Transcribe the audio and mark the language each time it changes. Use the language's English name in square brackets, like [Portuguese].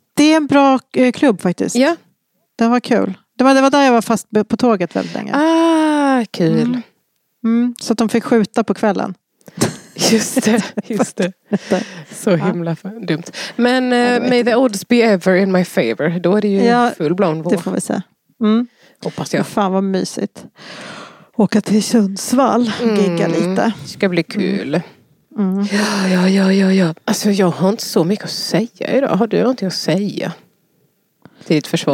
[Swedish] Det är en bra klubb faktiskt. Ja. Det var kul. Det var där jag var fast på tåget väldigt länge. Ah, kul. Mm. Mm, så att de fick skjuta på kvällen. Just det. Så himla dumt. [English] Men may the odds be ever in my favor. [Swedish] Då är det ju fullblown vår. Det får vi se. Hoppas jag. Fan vad mysigt. Åka till Sundsvall och gigga lite. Ska bli kul. Ja. Alltså jag har inte så mycket att säga idag. Har du någonting att säga? Till ditt försvar.